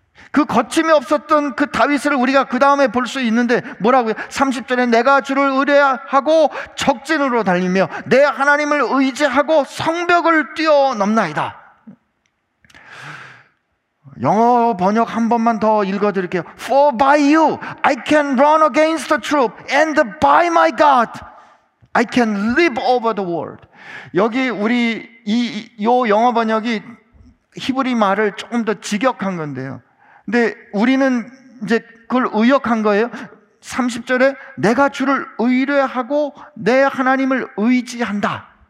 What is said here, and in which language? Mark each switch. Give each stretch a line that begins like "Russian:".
Korean: 그 거침이 없었던 그 다윗을 우리가 그 다음에 볼 수 있는데 뭐라고요? 30절에 내가 주를 의뢰하고 적진으로 달리며 내 하나님을 의지하고 성벽을 뛰어넘나이다. 영어 번역 한 번만 더 읽어드릴게요.
English: For by you I can run against the troop and by my God I can live over the world.
Korean: 여기 우리 이 영어 번역이 히브리 말을 조금 더 직역한 건데요. 근데 우리는 이제 그걸 의역한 거예요. 30절에 내가 주를 의뢰하고 내 하나님을 의지한다.